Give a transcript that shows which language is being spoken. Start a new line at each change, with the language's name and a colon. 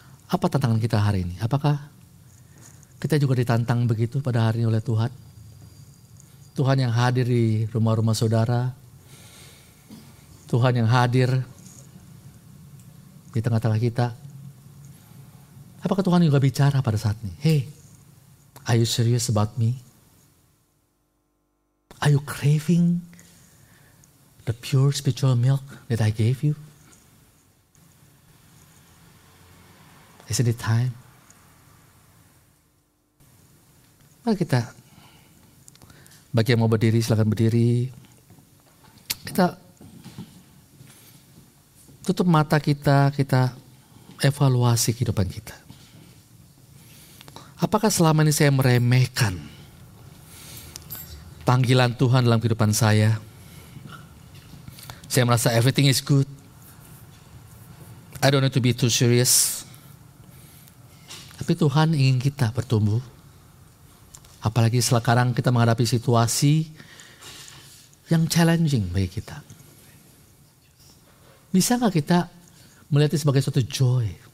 Indonesian: Apa tantangan kita hari ini? Apakah kita juga ditantang begitu pada hari ini oleh Tuhan? Tuhan yang hadir di rumah-rumah saudara. Tuhan yang hadir di tengah-tengah kita. Apakah Tuhan juga bicara pada saat ini?
English: Hey, are you serious about me? Are you craving the pure spiritual milk that I gave you? Isn't it time?
Indonesian: Mari kita, bagi yang mau berdiri, silakan berdiri. Kita tutup mata kita, kita evaluasi kehidupan kita. Apakah selama ini saya meremehkan panggilan Tuhan dalam kehidupan saya? Saya merasa
English: everything is good. I don't need to be too serious.
Indonesian: Tapi Tuhan ingin kita bertumbuh. Apalagi sekarang kita menghadapi situasi yang challenging bagi kita. Bisa gak kita melihatnya sebagai suatu joy?